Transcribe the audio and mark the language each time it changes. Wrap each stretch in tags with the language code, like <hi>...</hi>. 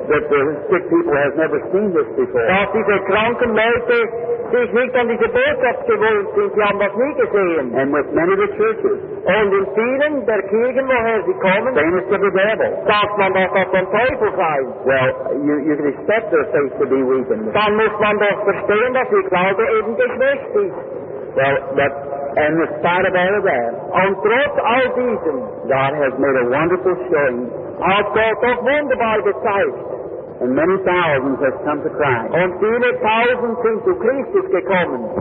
<en>the sick people have never seen this before.</en> <de>Dass diese kranken Leute sich nicht an diese Botschaft gewöhnt sind, sie haben das nie gesehen.</de> <en>And with many of the churches,</en> <de>und in vielen der Kirchen, woher sie kommen,</de> <en>famous of the devil,</en> <de>sagt man, dass das ein Teufel sei.</de> <en>Well, you can expect their faith to be weakened.</en> <de>Dann muss man doch verstehen, dass ihr Glaube eben geschwächt ist.</de> <en>Well, but and in spite of all of that,</en> <de>und trotz all diesem,</de> <en>God has made a wonderful showing.</en> <de>Hat Gott doch wunderbar gezeigt.</de> <en>And many thousands have come to Christ.</en> <de>Und viele tausend sind zu Christus gekommen.</de>